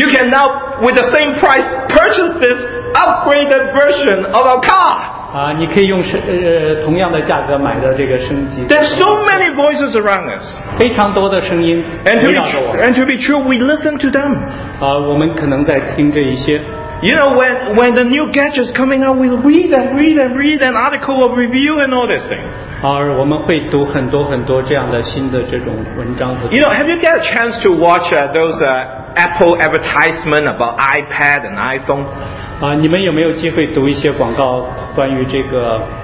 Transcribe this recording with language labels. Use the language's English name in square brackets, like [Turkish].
[English] You can now with the same price purchase this upgraded version of our car. [Chinese] 你可以用同样的价格买的这个升级。 [English] There's so many voices around us. [Chinese] 非常多的声音。 [English] And to be true, we listen to them. [Chinese] 我们可能在听这一些。 [English] You know, when the new gadgets coming out, we read an article of review and all this thing. [Chinese] 我们会读很多很多这样的新的这种文章和。 [English] You know, have you got a chance to watch those Apple advertisement about iPad and iPhone? [Chinese] 你们有没有机会读一些广告关于这个